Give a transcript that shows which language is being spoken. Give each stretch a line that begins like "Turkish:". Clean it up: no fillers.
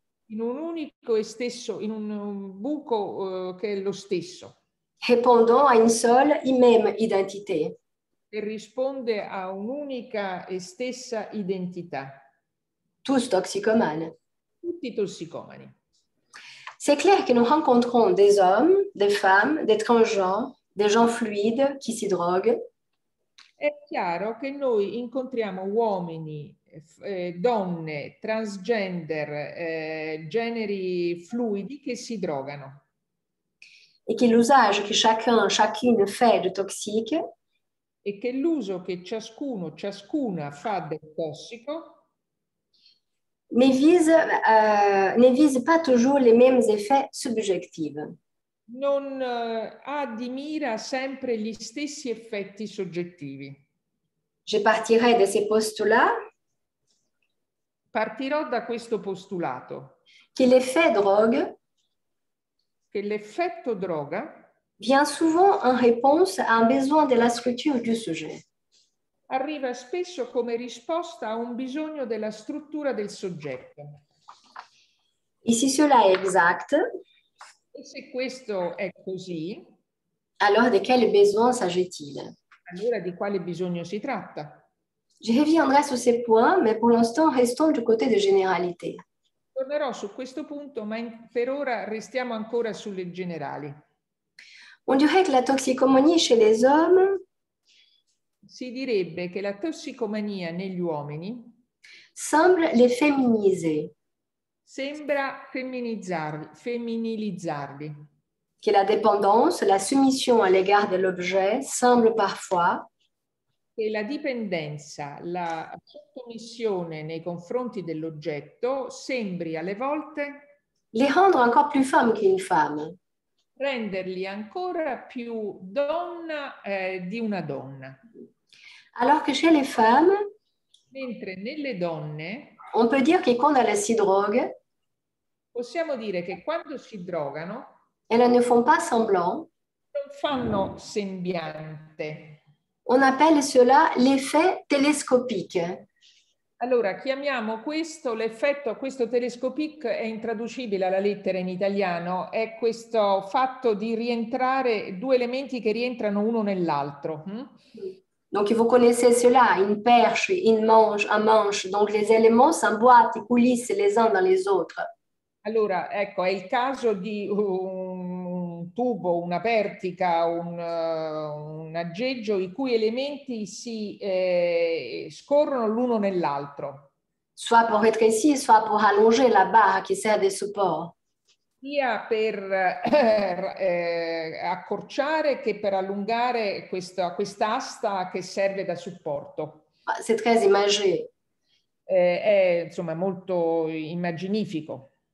Italian: In un unico e stesso, in un buco che è lo stesso.
French: Répondant à une seule et même identité.
Italian: E risponde a un'unica e stessa identità.
French: Tous toxicomanes.
Italian: Tutti tossicomani.
French: C'est clair que nous rencontrons des hommes, des femmes, des transgenres, des gens fluides qui si droguent.
Italian: È chiaro che noi incontriamo uomini, donne, transgender, generi fluidi che si drogano.
French: Et que l'usage que chacun, chacune fait de toxique. Et que
Italian: l'uso que ciascuno, ciascuna fa del tossico.
French: Ne vise pas toujours les mêmes effets subjectifs.
Italian: Non admira sempre gli stessi effetti soggettivi.
French: Je partirai de ces postulats.
Italian: Partirò da questo postulato.
French: Que l'effet drogue.
Italian: Che l'effetto droga
French: vient souvent en réponse à un besoin de la structure du sujet.
Italian: Arriva spesso come risposta a un bisogno della struttura del soggetto.
French: Et si cela est exact,
Italian: e se questo è così,
French: alors de quel besoin s'agit-il?
Italian: Allora di quale bisogno si tratta?
French: Je reviendrai sur ces points, mais pour l'instant restons du côté des généralités.
Italian: Tornerò su questo punto, ma per ora restiamo ancora sulle generali.
French: On dirait que la toxicomanie chez les hommes.
Italian: Si direbbe che la tossicomania negli uomini.
French: Semble les féminiser.
Italian: Sembra femminilizzarli.
French: Che la dépendance, la soumission à l'égard de l'objet, semble parfois.
Italian: Che la dipendenza, la sottomissione nei confronti dell'oggetto sembri alle volte
French: les rendre encore plus femme qu'une femme.
Italian: Renderli ancora più donna di una donna.
French: Alors que chez les femmes,
Italian: mentre nelle donne,
French: on peut dire que quand elles si droguent,
Italian: possiamo dire che quando si drogano,
French: elles ne font pas semblant,
Italian: non fanno sembiante.
French: On appelle cela l'effet télescopique.
Italian: Allora, chiamiamo questo l'effetto, questo télescopique è intraducibile alla lettera in italiano, è questo fatto di rientrare due elementi che rientrano uno nell'altro.
French: Donc vous connaissez cela, une perche, une manche, un manche, donc les éléments s'emboîtent, coulissent les uns dans les autres.
Italian: Allora, ecco, è il caso di tubo, una pertica, un aggeggio i cui elementi si scorrono l'uno nell'altro.
French: Soit pour rétrécir, soit pour allonger la barre qui sert de support.
Italian: Sia per accorciare che per allungare questa quest'asta che serve da supporto.
French: C'est très imagé.
Italian: è insomma molto immaginifico.